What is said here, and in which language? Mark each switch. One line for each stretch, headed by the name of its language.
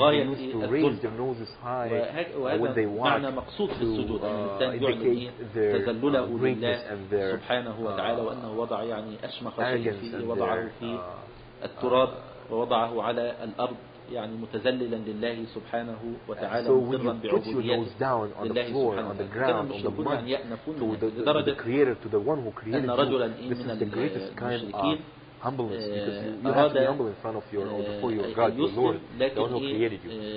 English: they used to raise their noses high when they want to indicate their greatness and their
Arabic: سبحانه وتعالى وأنه وضع يعني أشمخ شيء فيه وضعه في التراب ووضعه على الأرض يعني متزللا لله سبحانه وتعالى مضرا بعبوديته لله سبحانه وتعالى كان المشركون أن يأنفون لدرجة أن رجلا من المشركين
English: humbleness, because you have to be humble in front of your or before your God, your Lord, the one who created you.